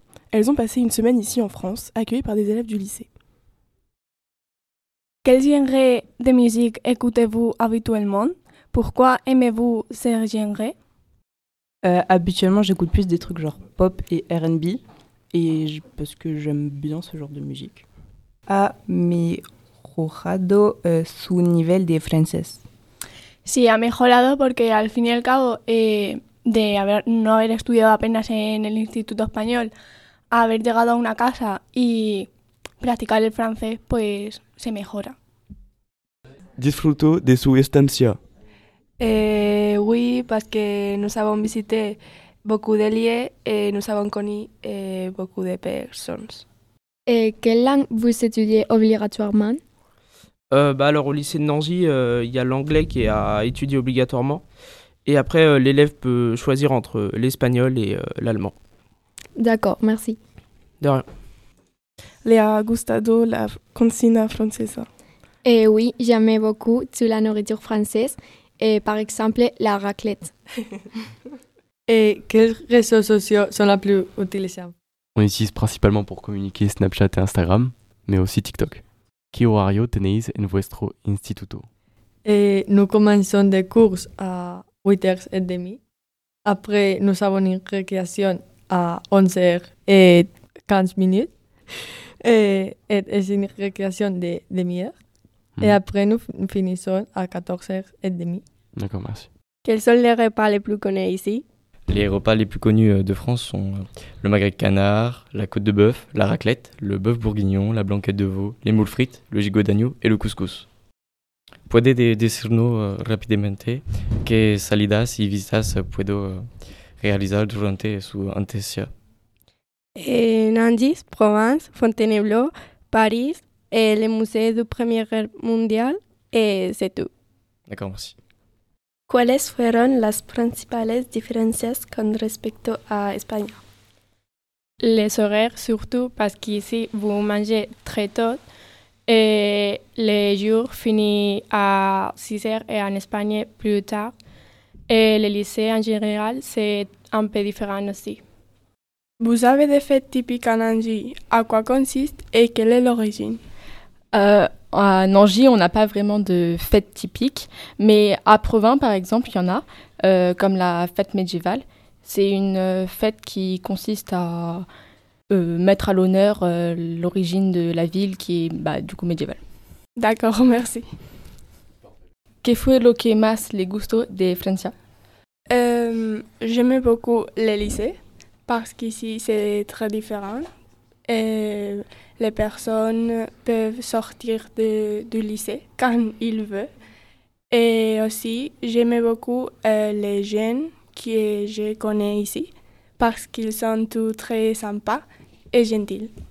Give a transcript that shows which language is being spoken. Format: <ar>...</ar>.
<fr>Elles ont passé une semaine ici en France, accueillies par des élèves du lycée. Quel genre de musique écoutez-vous habituellement? Pourquoi aimez-vous ce genre? Habituellement, j'écoute plus des trucs genre pop et R&B, et parce que j'aime bien ce genre de musique.</fr> <es>A mejorado su nivel de francés. Sí, ha mejorado porque al fin y al cabo, de no haber estudiado apenas en el Instituto Español, haber llegado a una casa y practicar el francés, pues se mejora. ¿Disfrutó de su estancia?</es> <fr>Oui, parce que nous avons visité beaucoup de lieux et nous avons connu beaucoup de personnes. Et quelle langue vous étudiez obligatoirement? Alors au lycée de Nancy, il y a l'anglais qui est à étudier obligatoirement. Et après, l'élève peut choisir entre l'espagnol et l'allemand. D'accord, merci. De rien.</fr> <es>Le ha gustado la cocina francesa?</es> <fr>Oui, j'aime beaucoup toute la nourriture française. Et par exemple, la raclette. Et quels réseaux sociaux sont les plus utilisables? On utilise principalement pour communiquer Snapchat et Instagram, mais aussi TikTok.</fr> <es>Qué horario tenéis en vuestro instituto?</es> <fr>Nous commençons des cours à 8h30. Après, nous avons une récréation à 11h15. Et une récréation de demi-heure. Et après, nous finissons à 14h30. D'accord, merci. Quels sont les repas les plus connus ici? Les repas les plus connus de France sont le magret de canard, la côte de bœuf, la raclette, le bœuf bourguignon, la blanquette de veau, les moules frites, le gigot d'agneau et le couscous.</fr> <es>Puedes decirnos rapidamente qué salidas y visitas puedo realizar durante su estancia?</es> <fr>Nantes, Provence, Fontainebleau, París, le musée de Première Guerre mondiale et c'est tout. D'accord, merci.</fr> <es>¿Cuáles fueron las principales diferencias con respecto a España?</es> <fr>Les horaires surtout, parce qu'ici vous mangez très tôt et les jours finissent à 6h et en Espagne plus tard. Et les lycées en général, c'est un peu différent aussi. Vous avez des fêtes typiques en Nancy. À quoi consiste et quelle est l'origine? À Nancy, on n'a pas vraiment de fête typique, mais à Provins, par exemple, il y en a, comme la fête médiévale. C'est une fête qui consiste à mettre à l'honneur l'origine de la ville qui est du coup médiévale. D'accord, merci.</fr> <es>¿Qué fue lo que más le gustó de Francia?</es> <fr>J'aimais beaucoup les lycées, parce qu'ici c'est très différent. Et les personnes peuvent sortir du lycée quand ils veulent. Et aussi, j'aimais beaucoup les jeunes que je connais ici parce qu'ils sont tous très sympas et gentils.</fr>